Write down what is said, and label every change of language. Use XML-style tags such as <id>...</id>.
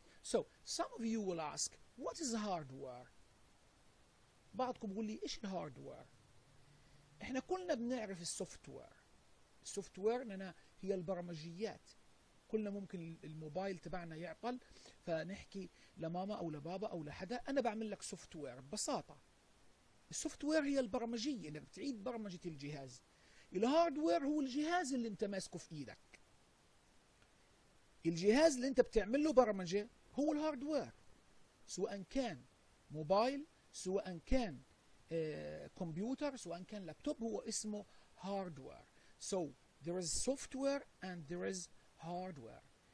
<en>So some of you will ask, what is hardware?</en> <ar>بعضكم يقول لي إيش الهاردوير؟ إحنا كلنا بنعرف السوفتوير. السوفتوير إننا هي البرمجيات. كلنا ممكن الموبايل تبعنا يعطل فنحكي لماما أو لبابا أو لحدا أنا بعمل لك سوفتوير ببساطة. السوفتوير هي البرمجية إنك بتعيد برمجة الجهاز. الهاردوير هو الجهاز اللي انت ماسكه في ايدك. الجهاز اللي انت بتعمل له برمجة هو الهاردوير، سواء كان موبايل، سواء كان كمبيوتر، سواء كان لابتوب، هو اسمه هاردوير.</ar> <en>So there is software and there is hardware.</en>